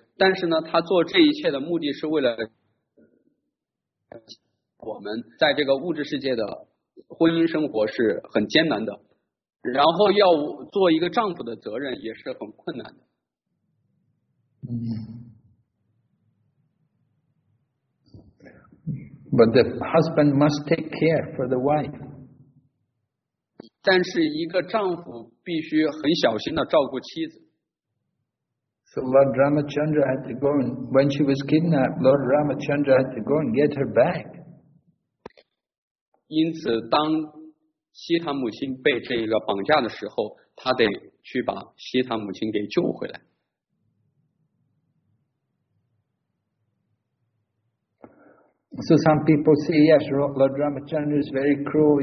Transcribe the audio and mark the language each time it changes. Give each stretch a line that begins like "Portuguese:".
Chinese: 但是呢，他做这一切的目的是为了我们在这个物质世界的婚姻生活是很艰难的。然后要做一个丈夫的责任也是很困难的。
English: 嗯，But the husband must take care for the wife.
Chinese: 但是一个丈夫必须很小心地照顾妻子。
English: So Lord Ramachandra had to go and when she was kidnapped, Lord Ramachandra had to go and get her back.
Chinese: 因此，当西塔母亲被这个绑架的时候，他得去把西塔母亲给救回来。
English: So some people say, yes, Lord Ramachandra is very cruel.